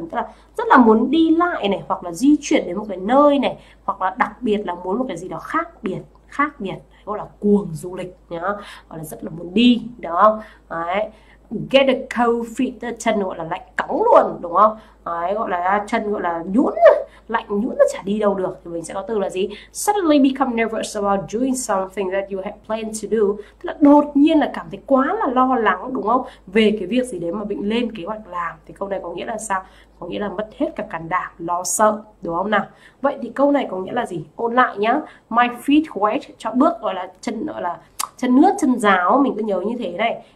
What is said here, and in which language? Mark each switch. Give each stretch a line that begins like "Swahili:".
Vietnamese: Tức là rất là muốn đi lại này, hoặc là di chuyển đến một cái nơi này, hoặc là đặc biệt là muốn một cái gì đó khác biệt, khác biệt. Gọi là cuồng du lịch nhá, gọi là rất là muốn đi, đúng không? Đấy. Get a cold feet, tức là chân gọi là lạnh cóng luôn, đúng không? Đấy, gọi là chân gọi là nhũn, lạnh nhũn nó chả đi đâu được. Thì mình sẽ có từ là gì?
English: Suddenly become nervous about doing something that you have planned to do.
Vietnamese: Tức là đột nhiên là cảm thấy quá là lo lắng, đúng không? Về cái việc gì đấy mà mình lên kế hoạch làm. Thì câu này có nghĩa là sao? Có nghĩa là mất hết cả can đảm, lo sợ, đúng không nào? Vậy thì câu này có nghĩa là gì? Ôn lại nhá. My feet wet, cho bước gọi là chân ướt chân ráo, mình cứ nhớ như thế này.